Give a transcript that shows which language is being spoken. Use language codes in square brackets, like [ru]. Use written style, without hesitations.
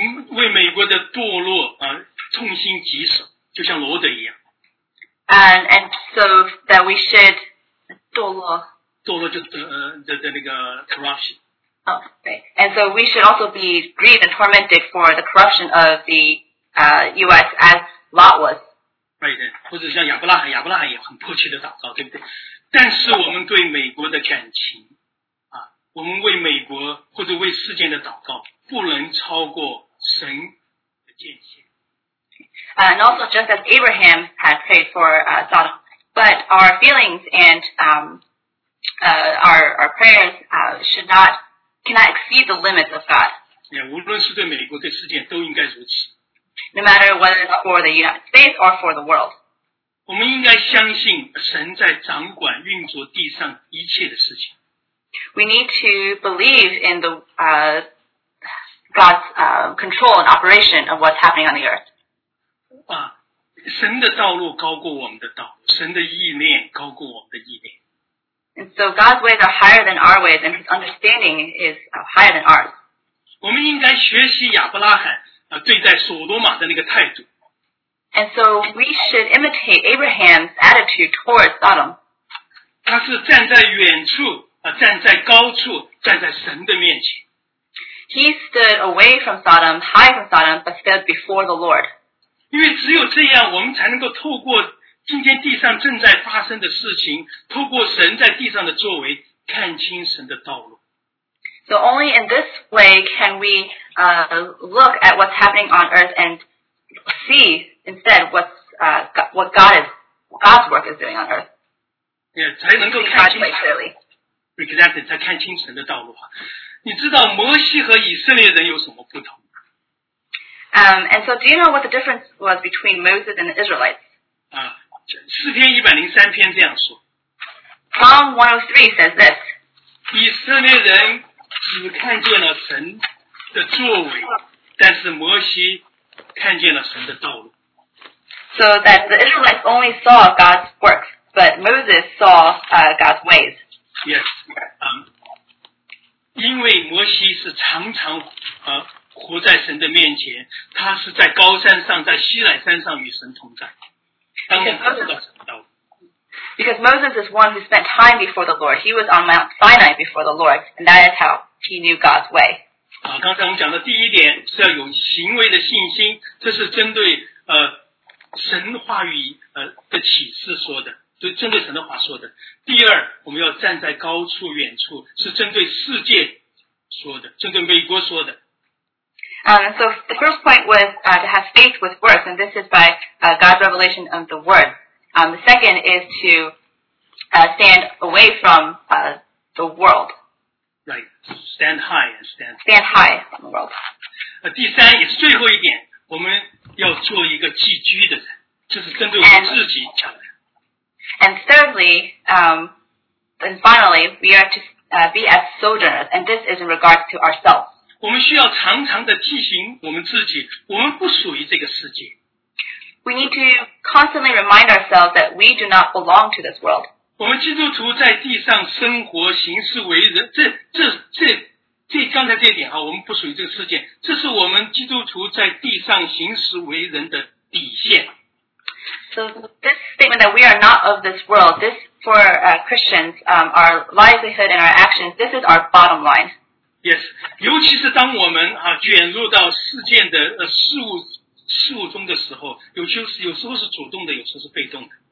[zh] 为美国的堕落痛心疾首，就像罗德一样。 [en] And so that we should [zh] 堕落就的那个 [en] corruption. Oh, right. And so we should also be grieved and tormented for the corruption of the U.S. asLot was. Right, [zh] 或者像亚伯拉罕也很迫切的祷告，对不对？但是我们对美国的感情啊，我们为美国或者为世界的祷告，不能超过神的界限。 [en] And also, just as Abraham had prayed for Sodom, but our feelings and our prayers cannot exceed the limits of God. Yeah, [zh] 无论是对美国对世界都应该如此。 [en] No matter whether it's for the United States or for the world. [zh] 我们应该相信神在掌管运作地上一切的事情。 [en] We need to believe in the God's control and operation of what's happening on the earth. [zh] 啊，神的道路高过我们的道路，神的意念高过我们的意念。 [en] And so God's ways are higher than our ways, and His understanding is higher than ours. [zh] 我们应该学习亚伯拉罕。对待索罗玛的那个态度。 [en] And so we should imitate Abraham's attitude towards Sodom. [zh] 他是站在远处，站在高处，站在神的面前。 [en] He stood away from Sodom, high from Sodom, but stood before the Lord. [zh] 因为只有这样，我们才能够透过今天地上正在发生的事情，透过神在地上的作为，看清神的道路。 [en] So only in this way can we look at what's happening on earth and see instead what God's work is doing on earth. Yeah, [zh] 才能够看清神。 [en] Clearly. Exactly, [zh] 才看清神的道路。你知道摩西和以色列人有什么不同？ [en] And so do you know what the difference was between Moses and the Israelites? [zh] 诗篇103篇这样说。 [en] Psalm 103 says this. [zh] 以色列人只看见了神的作为，但是摩西看见了神的道路。 [en] So that the Israelites only saw God's works, but Moses saw God's ways. Yes. [zh] 因为摩西是常常活在神的面前，他是在高山上，在西乃山上与神同在，当然他知道神的道路。 [en] Because Moses is one who spent time before the Lord. He was on Mount Sinai before the Lord, and that is how he knew God's way. [zh] 刚才我们讲的第一点是要有行为的信心，这是针对神话语的启示说的，就针对神的话说的。第二，我们要站在高处远处，是针对世界说的，针对美国说的。 [en] So the first point was to have faith with words, and this is by God's revelation of the word. The second is to stand away from the world. Right, stand high and stand. Stand high from the world. [zh] 第三也是最后一点，我们要做一个寄居的人，这是针对我们自己讲的。 [en] And thirdly, and finally, we are to be as sojourners, and this is in regards to ourselves. [zh] 我们需要常常的提醒我们自己，我们不属于这个世界。 [en] We need to constantly remind ourselves that we do not belong to this world. [zh] 我们基督徒在地上生活、行事为人，这刚才这点哈，我们不属于这个世界，这是我们基督徒在地上行事为人的底线。 [en] So this statement that we are not of this world, this for Christians, our livelihood and our actions, this is our bottom line. Yes, [zh] 尤其是当我们卷入到世界的事物中的时候，有时候是主动的，有时候是被动的。